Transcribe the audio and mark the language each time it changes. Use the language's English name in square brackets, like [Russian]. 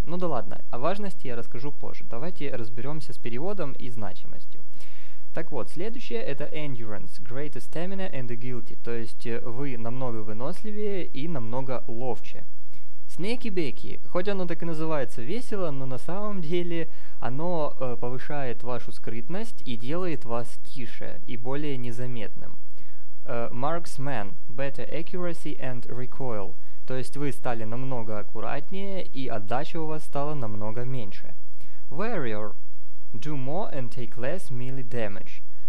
[Russian] Ну да ладно, о важности я расскажу позже. Давайте разберемся с переводом и значимостью. Так вот, следующее это [English] endurance, greater stamina and agility. [Russian] То есть вы намного выносливее и намного ловче. Снеки-беки, хоть оно так и называется весело, но на самом деле оно повышает вашу скрытность и делает вас тише и более незаметным. [English] Marksman, better accuracy and recoil. [Russian] То есть вы стали намного аккуратнее и отдача у вас стала намного меньше. [English] Warrior, do more and take less melee damage.